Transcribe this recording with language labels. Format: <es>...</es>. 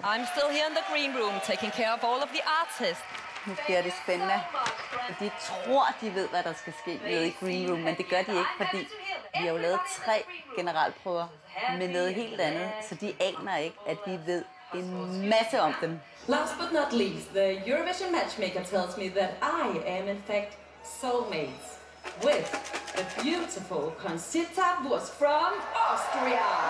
<en>I'm still here in the green room, taking care of all of the artists.</en> <da>Nu bliver det spændende. De tror, de ved, hvad der skal ske nede i green room, men det gør de ikke, fordi vi har jo lavet 3 generalprøver med noget helt andet, så de aner ikke, at vi ved en masse om dem.</da> <en>Last but not least, the Eurovision matchmaker tells me that I am in fact soulmates with the beautiful Conchita Wurst from Austria.</en>